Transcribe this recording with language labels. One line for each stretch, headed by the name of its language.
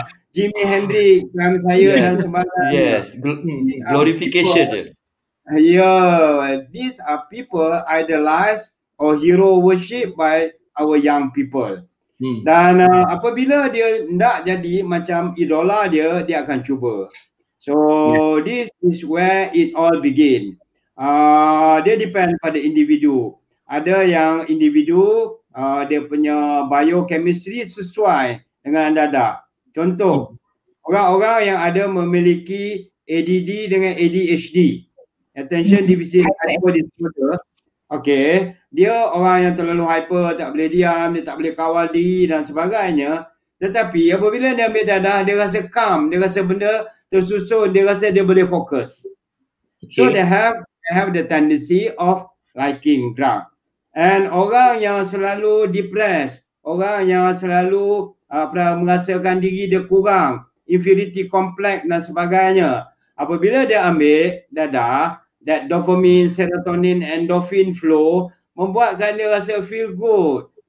Malay: Jimi Hendrix dan saya dan sebagainya.
English: Yes, glorification dia. These are people idolized or hero worship by our young people.
Malay: Dan apabila dia tidak jadi macam idola dia, dia akan cuba.
English: So this is where it all begin.
Malay: Dia depend pada individu. Ada yang individu dia punya biochemistry sesuai dengan dada. Contoh, orang-orang yang ada memiliki ADD dengan ADHD,
English: attention deficit hyper disorder.
Malay: Okay, dia orang yang terlalu hyper, tak boleh diam, dia tak boleh kawal diri dan sebagainya. Tetapi apabila dia ambil dadah, dia rasa calm, dia rasa benda tersusun, dia rasa dia boleh fokus. Okay.
English: So they have the tendency of liking drug.
Malay: And orang yang selalu depressed, orang yang selalu merasakan diri dia kurang, inferiority complex dan sebagainya. Apabila dia ambil dadah,
English: that dopamine, serotonin, endorphin flow
Malay: membuatkan dia rasa
English: feel good.